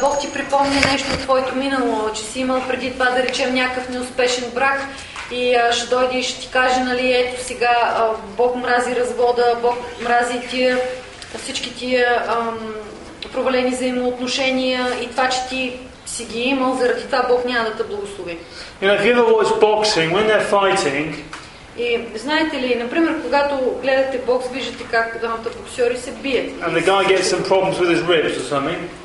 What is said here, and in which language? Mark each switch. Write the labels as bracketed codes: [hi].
[bg] Бог ти припомни нещо от твоето минало, че си имал преди това, да речем, някакъв неуспешен брак. И ще дойде и ще ти каже, нали, ето сега Бог мрази развода, Бог мрази всички тия провалени взаимоотношения и това, че ти си ги имал, заради това Бог няма да те благослови. [en] You know, if you ever watch boxing, when they're fighting... [bg] И знаете ли, например, когато гледате бокс, виждате как двамата боксьори се бият. [en] And the guy gets some problems with his ribs or something.